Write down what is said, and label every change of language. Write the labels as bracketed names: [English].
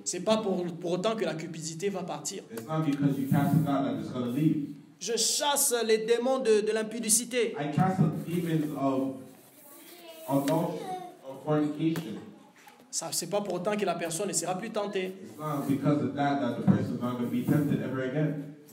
[French] C'est pas pour autant que la cupidité va partir. [English] It's not because you cast it out that it's gonna leave. [French] Je chasse les démons de l'impudicité. [English] I cast out demons of adultery, of fornication. [French] Ça, c'est pas pour autant que la personne ne sera plus tentée. [English] It's not because of that that the person is not gonna be tempted ever again.